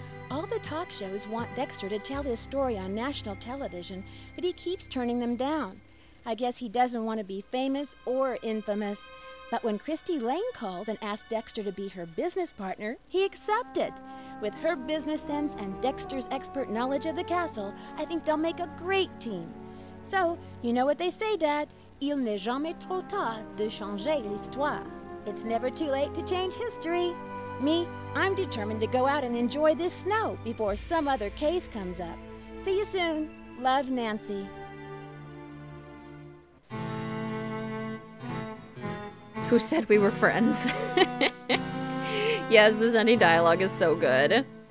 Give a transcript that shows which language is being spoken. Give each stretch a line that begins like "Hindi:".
English: All the talk shows want Dexter to tell his story on national television, but he keeps turning them down. I guess he doesn't want to be famous or infamous. But when Christy Lane called and asked Dexter to be her business partner, he accepted. With her business sense and Dexter's expert knowledge of the castle, I think they'll make a great team. So, you know what they say, Dad.
French: Il n'est jamais trop tard de changer l'histoire.
English: It's never too late to change history. Me, I'm determined to go out and enjoy this snow before some other case comes up. See you soon. Love, Nancy. Who said we were friends? Yes, the Zenny dialogue is so good.